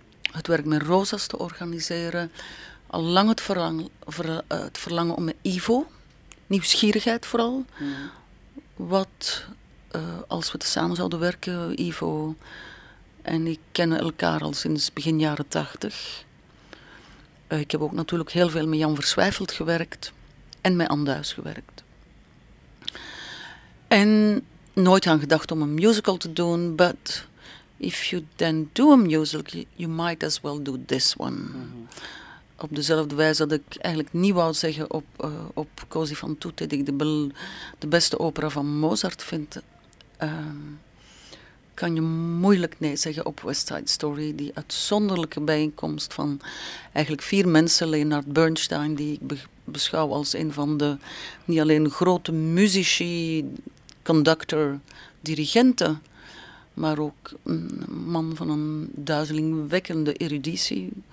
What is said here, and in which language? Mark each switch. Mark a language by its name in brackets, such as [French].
[Dutch] het werk met Rosas te organiseren, al lang het verlangen om met Ivo, nieuwsgierigheid vooral, wat als we samen zouden werken, Ivo en ik kennen elkaar al sinds begin jaren 80. Ik heb ook natuurlijk heel veel met Jan Verswijfeld gewerkt en met Anduis gewerkt. En nooit aan gedacht om een musical te doen, but... [English] If you then do a musical, you might as well do this one. Mm-hmm. [Dutch] Op dezelfde wijze dat ik eigenlijk niet wou zeggen op Cosi fan tutti, dat ik de beste opera van Mozart vind, kan je moeilijk nee zeggen op West Side Story. Die uitzonderlijke bijeenkomst van eigenlijk vier mensen, Leonard Bernstein, die ik beschouw als een van de niet alleen grote muzici, conductor, dirigenten, maar ook een man van een duizelingwekkende eruditie.